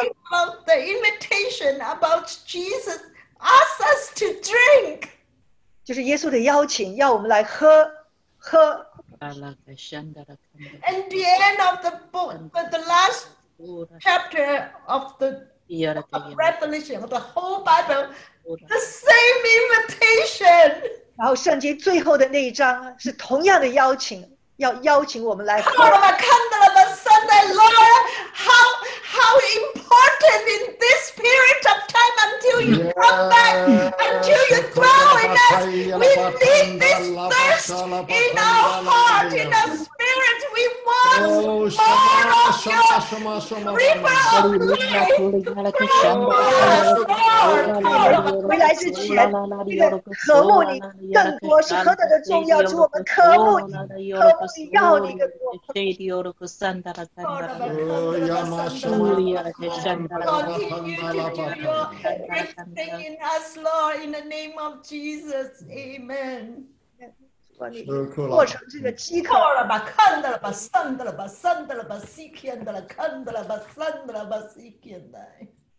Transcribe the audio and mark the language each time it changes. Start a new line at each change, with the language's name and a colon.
English: Talking about the invitation about Jesus asks us to drink.
Chinese: 就是耶稣的邀请，要我们来喝，喝。
English: And the end of the book, the last chapter of the Revelation, of the whole Bible, the same invitation.
Chinese: 然后圣经最后的那一章是同样的邀请，要邀请我们来喝。
English: Come on, my candle, my Sunday, Lord, how important in this period of time until you come back, until you dwell in us. We need this thirst in our heart, in our spirit. We want more of your river of life. Come on, Lord.
Chinese: 回来之前，那个渴慕你更多是何等的重要，是我们渴慕你，渴慕你要你更多。
English: Oh, Yamashua. Continue to do your great thing in us, Lord, in the name of Jesus. Amen.